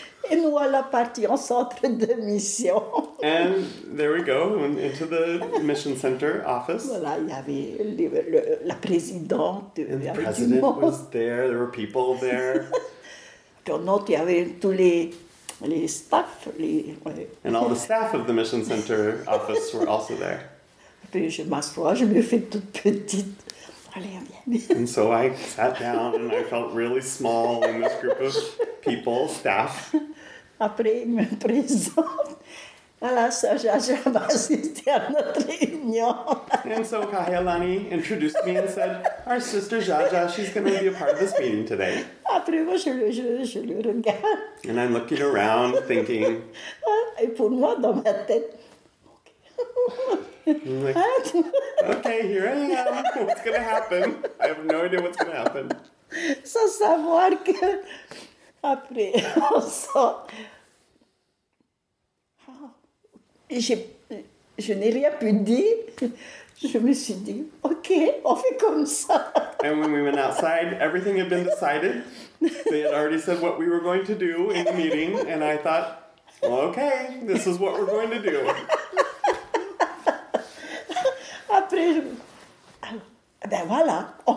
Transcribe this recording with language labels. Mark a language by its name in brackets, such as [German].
[French] Et nous voilà partis en centre de mission. [English] And there we go, into the mission center office. [French] Voilà, il y avait la présidente. [English] And the president was there, there were people there. [French] Dans notre, il y avait tous les staff, les... [English] And all the staff of the Mission Center office were also there. [French] Je m'assois, je me fais toute petite. Allez, viens. [English] And so I sat down and I felt really small in this group of people, staff. [French] Après, il me présente. Alors, Jaja va assister à notre réunion. [English] And so Kahialani introduced me and said, our sister Jaja, she's going to be a part of this meeting today. [French] Après moi, je le regarde. [English] And I'm looking around, thinking. [French] Et pour moi, dans ma tête, [English] okay, here I am. What's going to happen? I have no idea what's going to happen. [French] Sans savoir que après, on sort. Et je n'ai rien pu dire. Je me suis dit, OK, on fait comme ça. [English] And when we went outside, everything had been decided. They had already said what we were going to do in the meeting. And I thought, well, OK, this is what we're going to do. [French] Après, ben voilà.